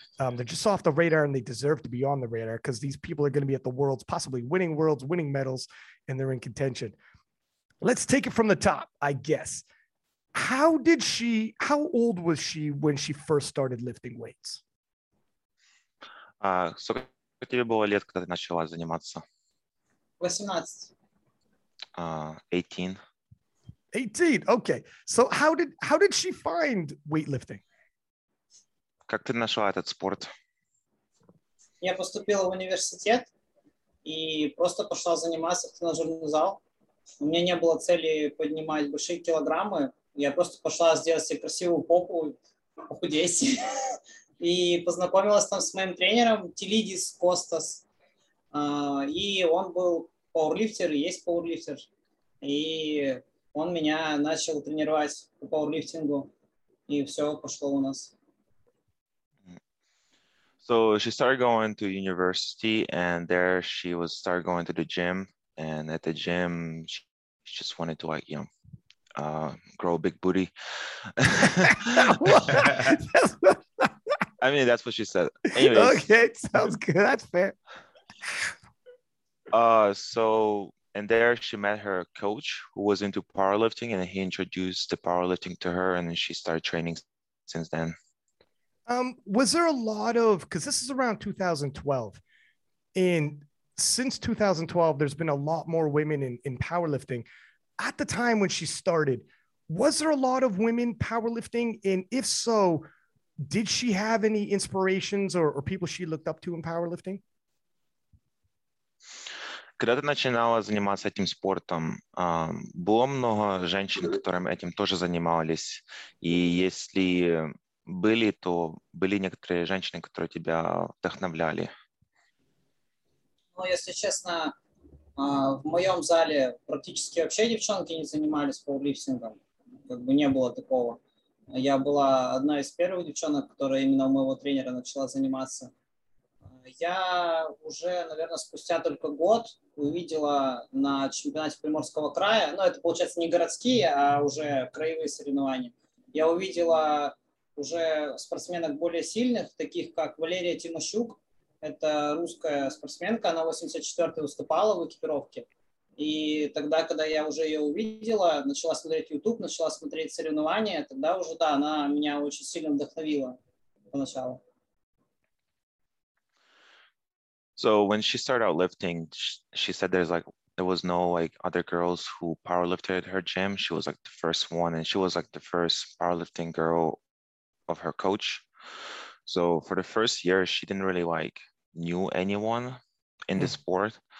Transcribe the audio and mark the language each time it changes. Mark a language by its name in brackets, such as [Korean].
[English] They're just off the radar, and they deserve to be on the radar because these people are going to be at the Worlds, possibly winning Worlds, winning medals, and they're in contention. Let's take it from the top, I guess. How old was she when she first started lifting weights? [Russian] Сколько тебе было лет, когда ты начала заниматься? 18. [English] 18. Okay. So how did she find weightlifting? [Russian] Как ты нашла этот спорт? Я поступила в университет и просто пошла заниматься в тренажерный зал. У меня не было цели поднимать большие килограммы. Я просто пошла сделать себе красивую попу, похудеть. И познакомилась там с моим тренером Телидис Костас. И он был пауэрлифтер, есть пауэрлифтер. И он меня начал тренировать по пауэрлифтингу. И все пошло у нас. [English] So she started going to university, and there she was started going to the gym. And at the gym, she just wanted to, like, you know, grow a big booty. I mean, that's what she said. Anyways. Okay, sounds good. That's fair. And there she met her coach who was into powerlifting, and he introduced the powerlifting to her, and then she started training since then. Was there a lot of, because this is around 2012, and since 2012, there's been a lot more women in powerlifting. At the time when she started, was there a lot of women powerlifting? And if so, did she have any inspirations or people she looked up to in powerlifting? [Russian] Когда ты начинала заниматься этим спортом, было много женщин, которые этим тоже занимались. И если были, то были некоторые женщины, которые тебя вдохновляли. Ну, если честно, в моем зале практически вообще девчонки не занимались пауэрлифтингом. Как бы не было такого. Я была одна из первых девчонок, которая именно у моего тренера начала заниматься. Я уже, наверное, спустя только год увидела на чемпионате Приморского края, ну, это, получается, не городские, а уже краевые соревнования. Я увидела уже спортсменок более сильных, таких как Валерия Тимощук. Это русская спортсменка, она 84-й выступала в экипировке. И тогда, когда я уже ее увидела, начала смотреть YouTube, начала смотреть соревнования, тогда уже, да, она меня очень сильно вдохновила поначалу. [English] So when she started out lifting, she said there was no like other girls who powerlifted at her gym. She was like the first one, and she was like the first powerlifting girl of her coach. So for the first year, she didn't really like knew anyone in the sport.